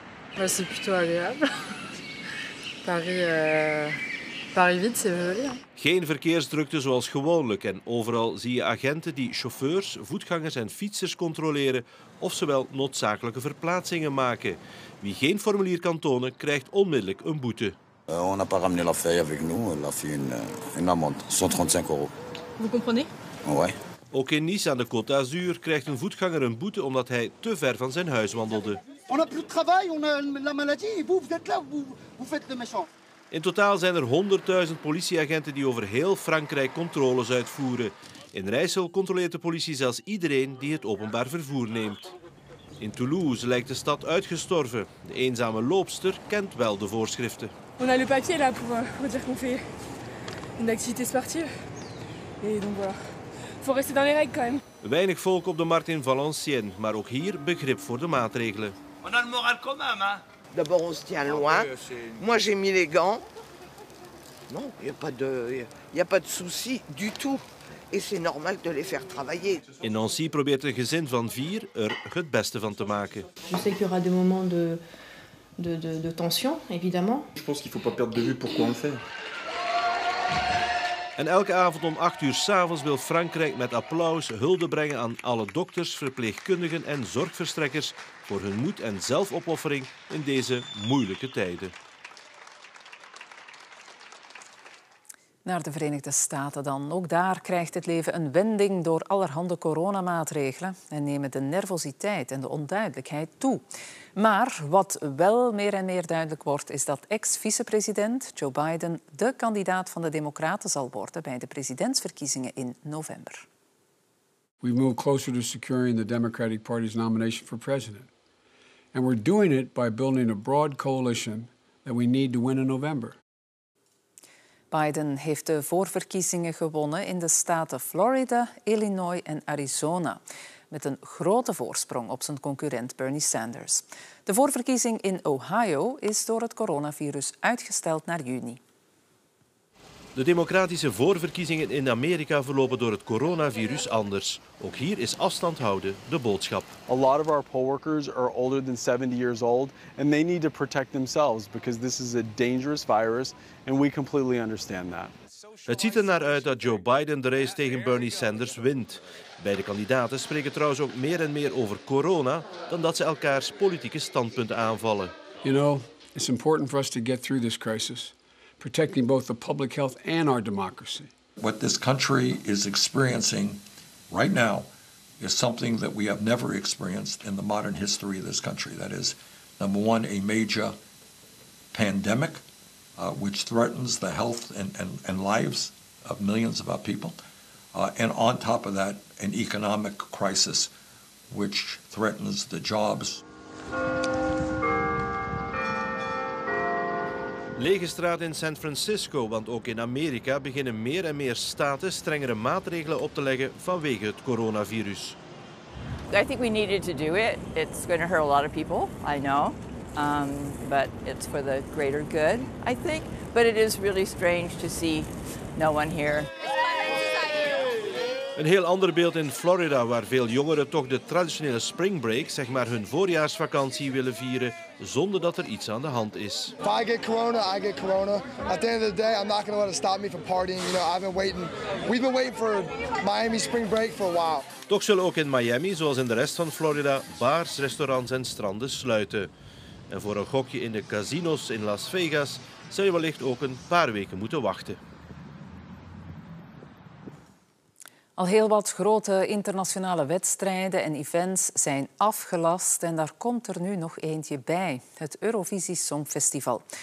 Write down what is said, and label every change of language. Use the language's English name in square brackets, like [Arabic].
[Dutch] Het is [French] plutôt agréable. Paris, [Dutch] geen verkeersdrukte zoals gewoonlijk en overal zie je agenten die chauffeurs, voetgangers en fietsers controleren of ze wel noodzakelijke verplaatsingen maken. Wie geen formulier kan tonen, krijgt onmiddellijk een boete. [French] On n'a pas ramené la feuille avec nous, la feuille une amende, €135. Vous comprenez? Ouais. [Dutch] Ook in Nice aan de Côte d'Azur krijgt een voetganger een boete omdat hij te ver van zijn huis wandelde. [French] On a plus de travail, on a la maladie et vous êtes là, vous faites le méchant. [Dutch] In totaal zijn er 100.000 politieagenten die over heel Frankrijk controles uitvoeren. In Rijssel controleert de politie zelfs iedereen die het openbaar vervoer neemt. In Toulouse lijkt de stad uitgestorven. De eenzame loopster kent wel de voorschriften. We hebben het papier [French] là pour dire qu'on fait une activité sportive. Et donc voilà. Faut rester dans les règles quand même. [Dutch] Weinig volk op de markt in Valenciennes, maar ook hier begrip voor de maatregelen. [French] On a le moral commun, hein? D'abord, on se tient loin. Moi, j'ai mis les gants. non, il n'y a pas de, souci du tout. Et c'est normal de les faire travailler. [Dutch] In Nancy probeert een gezin van vier er het beste van te maken. [French] Je sais qu'il y aura des moments de tension, évidemment. Je pense qu'il faut pas perdre de vue pourquoi on fait. [Dutch] En elke avond om 8 uur 's avonds wil Frankrijk met applaus hulde brengen aan alle dokters, verpleegkundigen en zorgverstrekkers voor hun moed en zelfopoffering in deze moeilijke tijden. Naar de Verenigde Staten dan. Ook daar krijgt het leven een wending door allerhande coronamaatregelen en nemen de nervositeit en de onduidelijkheid toe. Maar wat wel meer en meer duidelijk wordt, is dat ex-vicepresident Joe Biden de kandidaat van de Democraten zal worden bij de presidentsverkiezingen in november. [English] We move closer to securing the Democratic Party's nomination for president. And we're doing it by building a broad coalition that we need to win in november. [Dutch] Biden heeft de voorverkiezingen gewonnen in de staten Florida, Illinois en Arizona. Met een grote voorsprong op zijn concurrent Bernie Sanders. De voorverkiezing in Ohio is door het coronavirus uitgesteld naar juni. De democratische voorverkiezingen in Amerika verlopen door het coronavirus anders. Ook hier is afstand houden de boodschap. [English] A lot of our poll workers are older than 70 years old and they need to protect themselves because this is a dangerous virus and we completely understand that. [Dutch] Het ziet er naar uit dat Joe Biden de race tegen Bernie Sanders wint. Beide kandidaten spreken trouwens ook meer en meer over corona dan dat ze elkaars politieke standpunten aanvallen. [English] You know, it's important for us to get through this crisis. Protecting both the public health and our democracy. What this country is experiencing right now is something that we have never experienced in the modern history of this country. That is, number one, a major pandemic which threatens the health and lives of millions of our people. And on top of that, an economic crisis which threatens the jobs. [Dutch] Lege straat in San Francisco, want ook in Amerika beginnen meer en meer staten strengere maatregelen op te leggen vanwege het coronavirus. [English] I think we needed to do it. It's going to hurt a lot of people, I know. But it's for the greater good, I think. But it is really strange to see no one here. [Dutch] Een heel ander beeld in Florida, waar veel jongeren toch de traditionele spring break, zeg maar hun voorjaarsvakantie, willen vieren zonder dat er iets aan de hand is. [English] If I get corona, I get corona. At the end of the day, I'm not going to let it stop me from partying. You know, I've been waiting. We've been waiting for Miami spring break for a while. [Dutch] Toch zullen ook in Miami, zoals in de rest van Florida, bars, restaurants en stranden sluiten. En voor een gokje in de casinos in Las Vegas zou je wellicht ook een paar weken moeten wachten. Al heel wat grote internationale wedstrijden en events zijn afgelast en daar komt er nu nog eentje bij, het Eurovisie Songfestival.